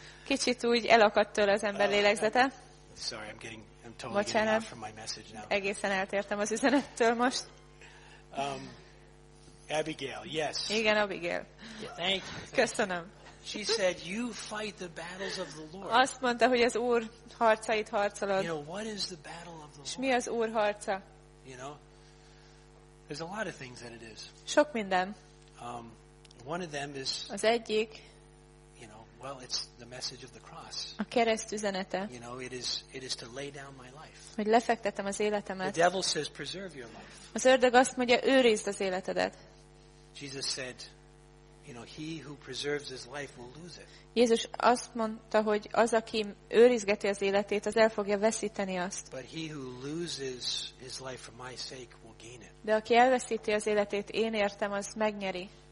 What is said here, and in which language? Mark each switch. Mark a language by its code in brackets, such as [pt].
[hu] Kicsit úgy elakadt tőle az ember lélegzete. [en] Sorry, I'm totally getting off from my message now. [hu] Egészen eltértem az üzenettől most. [en] Abigail, yes. [hu] Igen, Abigail. [en] Thank you. [hu] Köszönöm. [en] She said, "You fight the battles of the Lord." [hu] Azt mondta, hogy az Úr harcait harcolod. [en] You know, what is the battle of the Lord? [hu] És mi az Úr harca? [en] You know, there's a lot of things that it is. [hu] Sok minden. [en] One of them is. [hu] Az egyik. [en] Well, it's the message of the cross. [hu] A kereszt üzenete. [en] You know, it is to lay down my life. [hu] Hogy lefektetem az életemet. [en] The devil says, "Preserve your life." [hu] Az ördög azt mondja, őrizd az életedet. [en] Jesus said, you know, he who preserves his life will lose it. [hu] Jézus azt mondta, hogy az, aki őrizgeti az életét, az el fogja veszíteni azt. [en] But he who loses his life for my sake will gain it. [hu] De aki elveszíti az életét én értem, az megnyeri.